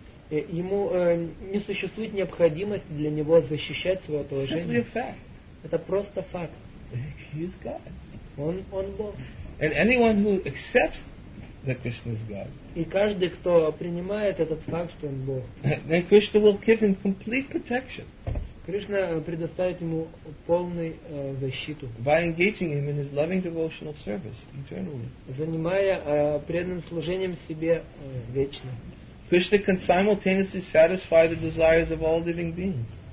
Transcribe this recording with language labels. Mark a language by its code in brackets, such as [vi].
[ru] Ему не существует необходимости для него защищать свое положение. [en] Simply a fact. [ru] Это просто факт. [en] He's God. [ru] Он Бог. [en] And anyone who accepts that Krishna is God. [ru] И каждый, кто принимает этот факт, что он Бог. [en] Then Krishna will give him complete protection. [ru] Кришна предоставит ему полную защиту. [en] By engaging him in his loving devotional service eternally. [ru] Занимая преданным служением себе вечно. [en] Krishna can simultaneously satisfy the desires of all living beings.